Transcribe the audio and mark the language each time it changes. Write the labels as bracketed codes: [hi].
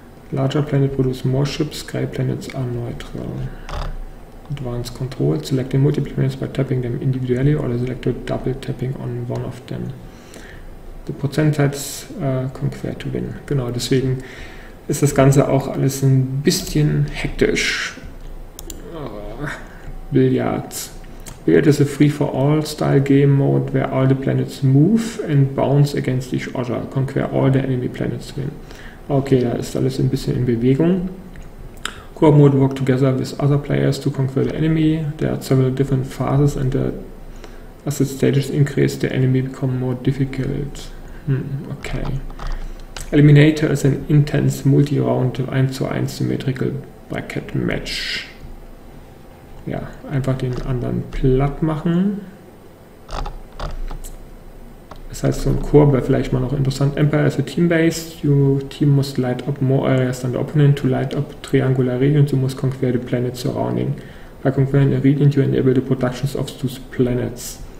[en] Larger planet produce more ships. Grey planets are neutral. Advanced control. Select the multiple planets by tapping them individually or select a double tapping on one of them. The percentages compare to win. [de] Genau, deswegen ist das Ganze auch alles ein bisschen hektisch. [en] Billiards. Billiard is a free-for-all-style game mode where all the planets move and bounce against each other. Conquer all the enemy planets to win. [de] Okay, da ist alles ein bisschen in Bewegung. [en] Co-op mode work together with other players to conquer the enemy. There are several different phases and the asset stages increase, the enemy become more difficult. Okay. Eliminator is an intense multi-round 1-1 symmetrical bracket match. [de] Ja, einfach den anderen platt machen. Das heißt, so ein Koop wäre vielleicht mal noch interessant. [en] Empire is a team-based. Your team must light up more areas than the opponent to light up triangular regions. You must conquer the planets surrounding. By conquering a region, you enable the productions of those planets.